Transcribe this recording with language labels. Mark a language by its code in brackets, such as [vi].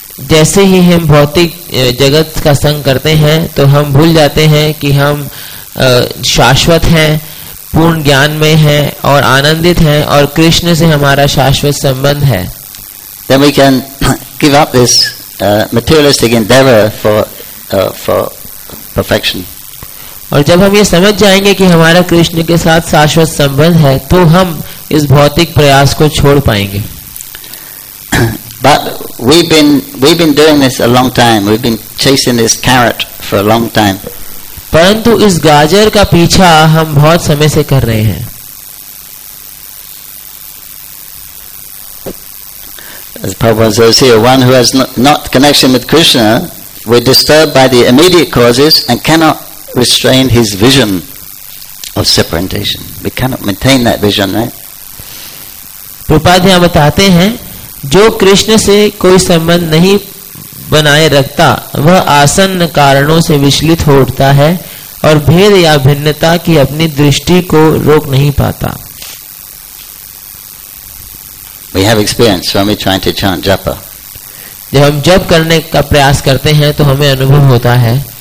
[hi] जैसे ही हम भौतिक जगत का संग करते हैं तो हम भूल जाते हैं कि हम शाश्वत हैं, पूर्ण ज्ञान में हैं और आनंदित हैं और कृष्ण से हमारा शाश्वत संबंध है. [en] Then we can give up this materialistic endeavor for perfection. [hi] और जब हम ये समझ जाएंगे कि हमारा कृष्ण के साथ शाश्वत संबंध है तो हम इस भौतिक प्रयास को छोड़ पाएंगे [en] But we've been doing this a long time. We've been chasing this carrot for a long time. [hi] परंतु इस गाजर का पीछा हम बहुत समय से कर रहे हैं. [en] As Prabhupada says here, one who has not connection with Krishna, we're disturbed by the immediate causes and cannot restrain his vision of separation. We cannot maintain that vision, right? [hi] Prabhupada यहाँ बताते हैं जो कृष्ण से कोई संबंध नहीं बनाए रखता वह आसन्न कारणों से विचलित हो उठता है और भेद या भिन्नता की अपनी दृष्टि को रोक नहीं पाता [en] We have experience when we try to chant japa. [hi] जब हम जप करने का प्रयास करते हैं तो हमें अनुभव होता है